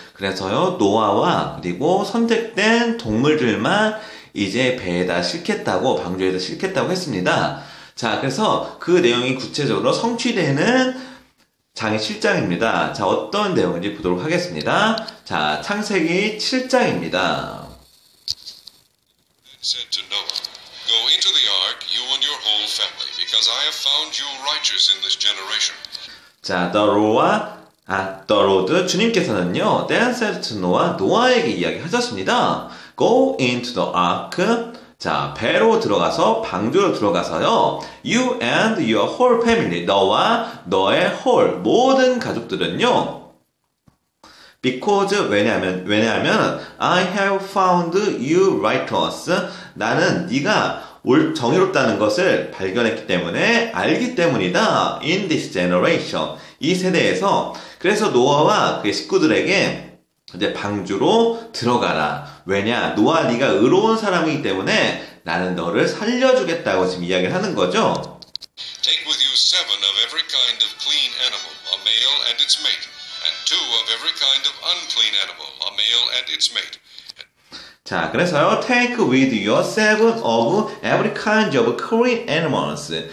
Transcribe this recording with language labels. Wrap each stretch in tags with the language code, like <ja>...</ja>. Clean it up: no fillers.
<ko>그래서요, 노아와 그리고 선택된 동물들만 이제 배에다 싣겠다고, 방주에다 싣겠다고 했습니다. 자, 그래서 그 내용이 구체적으로 성취되는 장의 7장입니다. 자, 어떤 내용인지 보도록 하겠습니다. 자, 창세기 7장입니다.</ko> <en>Said to Noah, Go into the ark, you and your whole family, because I have found you righteous in this generation. 자, the Lord</en> <ko>주님께서는요,</ko> <en>then said to Noah,</en> <ko>노아에게 이야기하셨습니다.</ko> <en>Go into the ark.</en> <ko>자, 배로 들어가서, 방주로 들어가서요,</ko> <en>you and your whole family,</en> <ko>너와 너의</ko> <en>whole,</en> <ko>모든 가족들은요,</ko> <en>Because,</en> <ko>왜냐하면,</ko> <en>I have found you righteous.</en> <ko>나는 네가 정의롭다는 것을 발견했기 때문에, 알기 때문이다.</ko> <en>In this generation.</en> <ko>이 세대에서. 그래서 노아와 그의 식구들에게 이제 방주로 들어가라. 왜냐, 노아 네가 의로운 사람이기 때문에 나는 너를 살려주겠다고 지금 이야기를 하는 거죠.</ko> <en>Take with you seven of every kind of clean animal, a male and its mate. Two of every kind of unclean animal, a male and its mate.</en> <ko>자, 그래서요,</ko> <en>take with you seven of every kind of clean animals.</en>